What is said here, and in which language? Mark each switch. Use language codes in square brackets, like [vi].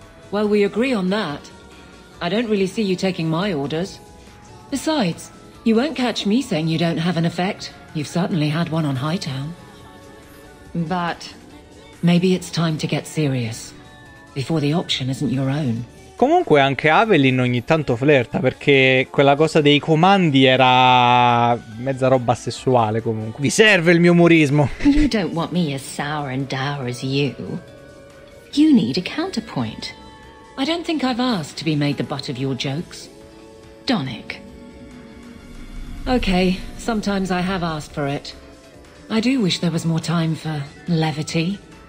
[en] Well, we agree on that. I don't really see you taking my orders. Besides, you won't catch me saying you don't have an effect. You've certainly had one on Hightown. But maybe it's time to get serious before the option isn't your own. [it] Comunque anche Avelin ogni tanto flirta, perché quella cosa dei comandi era mezza roba sessuale comunque. Vi serve il mio umorismo. [en] You don't want me as sour and dour as you. You need a counterpoint. I don't think I've asked to be made the butt of your jokes. Donic. Okay, sometimes I have asked for it. I do wish there was more time for levity.